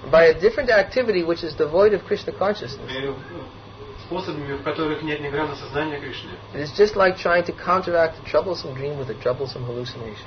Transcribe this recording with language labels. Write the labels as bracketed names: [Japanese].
[English] by a different activity which is devoid of Krishna consciousness, [Russian] способами, в которых нет ни грамма сознания Кришны. [English] It's just like trying to counteract a troublesome dream with a troublesome hallucination.